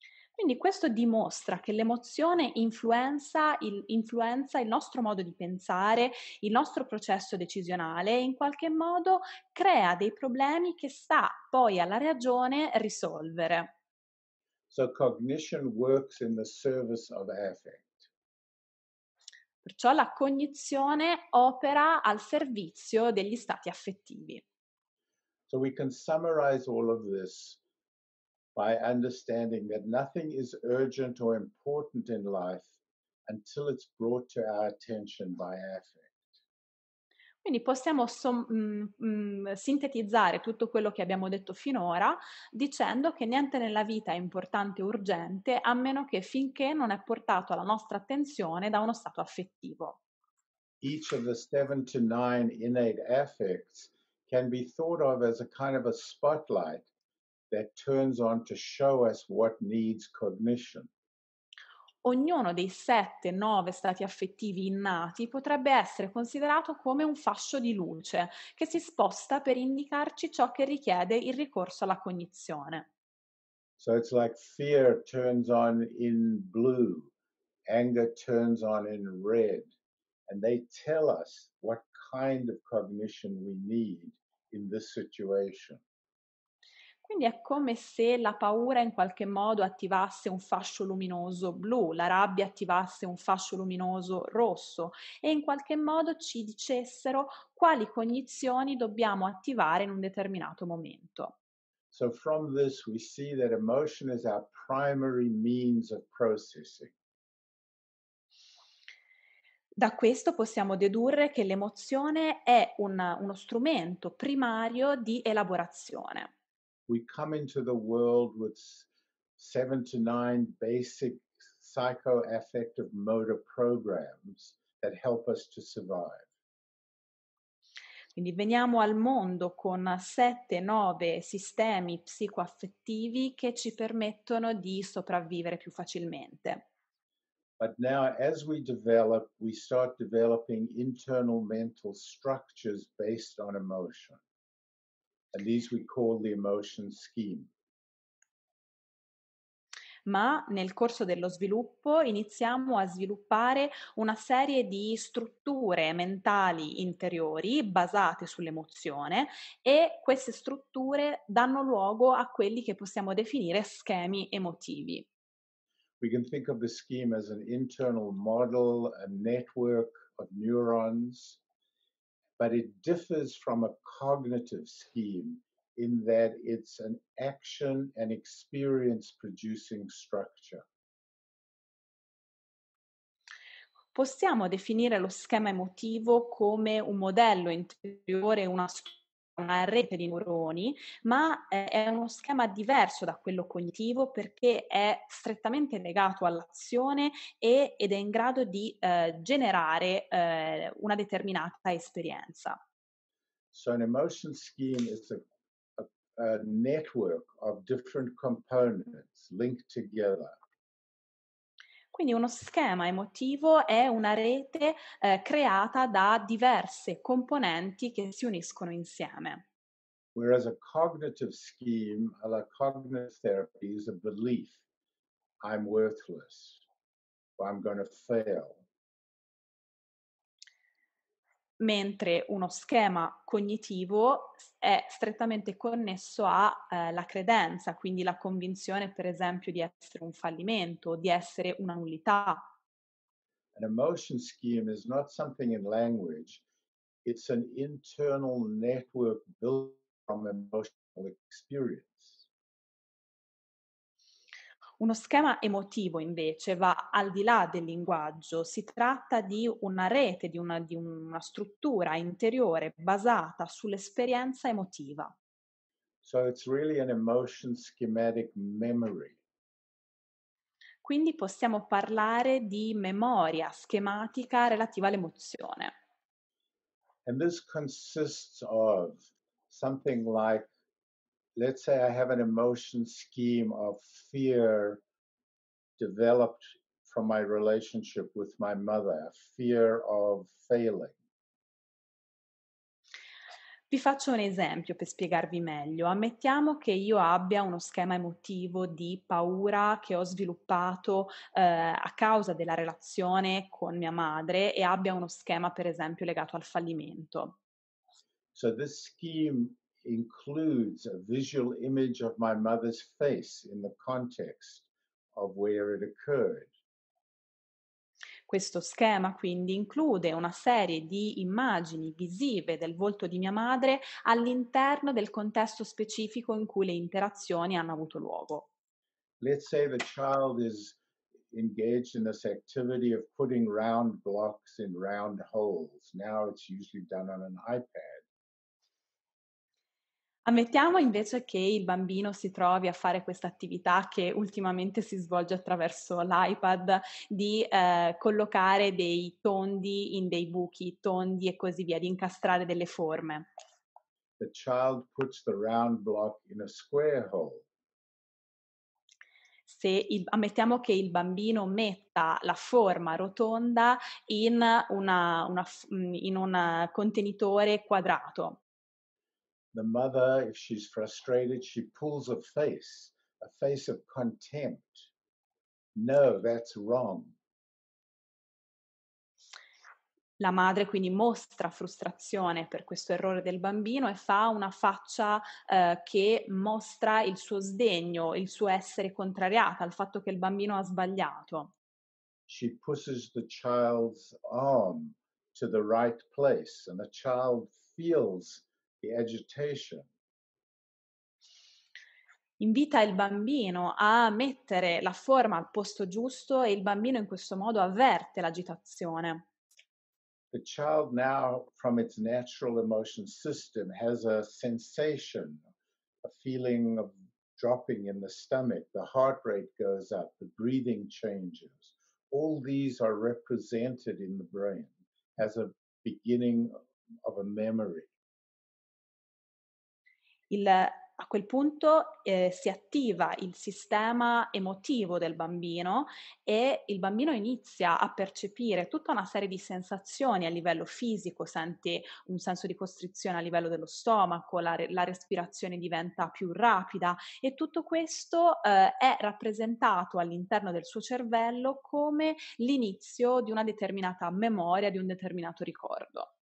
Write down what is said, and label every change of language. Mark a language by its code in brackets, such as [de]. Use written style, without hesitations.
[it] Quindi questo dimostra che l'emozione influenza il nostro modo di pensare, il nostro processo decisionale e in qualche modo crea dei problemi che sta poi alla ragione risolvere. [en] So cognition works in the service of affect. [it] Perciò la cognizione opera al servizio degli stati affettivi. [en] So we can summarize all of this by understanding that nothing is urgent or important in life until it's brought to our attention by affect. [it] Quindi possiamo sintetizzare tutto quello che abbiamo detto finora dicendo che niente nella vita è importante o urgente a meno che finché non è portato alla nostra attenzione da uno stato affettivo. [en] Each of the 7 to 9 innate affects can be thought of as a kind of a spotlight that turns on to show us what needs cognition. [it] ognuno dei 7-9 stati affettivi innati potrebbe essere considerato come un fascio di luce che si sposta per indicarci ciò che richiede il ricorso alla cognizione. [en] So it's like fear turns on in blue, anger turns on in red, and they tell us what kind of cognition we need in this situation. [it] Quindi è come se la paura in qualche modo attivasse un fascio luminoso blu, la rabbia attivasse un fascio luminoso rosso e in qualche modo ci dicessero quali cognizioni dobbiamo attivare in un determinato momento. [en] So from this we see that emotion is our primary means of processing. [it] Da questo possiamo dedurre che l'emozione è uno strumento primario di elaborazione. [en] We come into the world with 7 to 9 basic psychoaffective motor programs that help us to survive. [it] Quindi veniamo al mondo con 7-9 sistemi psicoaffettivi che ci permettono di sopravvivere più facilmente. [en] But now as we develop, we start developing internal mental structures based on emotion. And these we call the emotion scheme. [it] Ma nel corso dello sviluppo iniziamo a sviluppare una serie di strutture mentali interiori basate sull'emozione e queste strutture danno luogo a quelli che possiamo definire schemi emotivi. [en] We can think of the scheme as an internal model, a network of neurons, but it differs from a cognitive scheme in that it's an action and experience producing structure. [it] Possiamo definire lo schema emotivo come un modello interiore, una rete di neuroni, ma è uno schema diverso da quello cognitivo perché è strettamente legato all'azione ed è in grado di generare una determinata esperienza. [en] So an emotion scheme is a network of different components linked together. [it] Quindi uno schema emotivo è una rete creata da diverse componenti che si uniscono insieme. [en] Whereas a cognitive scheme, a la cognitive therapy, is a belief, I'm worthless, or I'm going to fail. [it] Mentre uno schema cognitivo è strettamente connesso alla credenza, quindi la convinzione, per esempio, di essere un fallimento, di essere una nullità. [en] An emotion scheme is not something in language, it's an internal network built from emotional experience. [it] Uno schema emotivo invece va al di là del linguaggio, si tratta di una rete, di una struttura interiore basata sull'esperienza emotiva. [en] So it's really an emotion schematic memory. [it] Quindi possiamo parlare di memoria schematica relativa all'emozione. [en] And this consists of something like, let's say I have an emotion scheme of fear developed from my relationship with my mother, fear of failing. [it] Vi faccio un esempio per spiegarvi meglio. Ammettiamo che io abbia uno schema emotivo di paura che ho sviluppato a causa della relazione con mia madre e abbia uno schema, per esempio, legato al fallimento. [en] So this scheme includes a visual image of my mother's face in the context of where it occurred. [it] Questo schema quindi include una serie di immagini visive del volto di mia madre all'interno del contesto specifico in cui le interazioni hanno avuto luogo. [en] Let's say the child is engaged in this activity of putting round blocks in round holes. Now it's usually done on an iPad. [it] Ammettiamo invece che il bambino si trovi a fare questa attività che ultimamente si svolge attraverso l'iPad di collocare dei tondi in dei buchi, tondi e così via, di incastrare delle forme. [en] The child puts the round block in a square hole. [it] se il, ammettiamo che il bambino metta la forma rotonda in un contenitore quadrato. [en] The mother, if she's frustrated, she pulls a face of contempt. No, that's wrong. [it] La madre quindi mostra frustrazione per questo errore del bambino e fa una faccia che mostra il suo sdegno, il suo essere contrariata al fatto che il bambino ha sbagliato. [en] She pushes the child's arm to the right place and the child feels the agitation. [it] Invita il bambino a mettere la forma al posto giusto e il bambino in questo modo avverte l'agitazione. [en] The child now, from its natural emotion system, has a sensation, a feeling of dropping in the stomach. The heart rate goes up, the breathing changes. All these are represented in the brain as a beginning of a memory. [it] A quel punto si attiva il sistema emotivo del bambino e il bambino inizia a percepire tutta una serie di sensazioni a livello fisico, sente un senso di costrizione a livello dello stomaco, la respirazione diventa più rapida e tutto questo è rappresentato all'interno del suo cervello come l'inizio di una determinata memoria, di un determinato ricordo.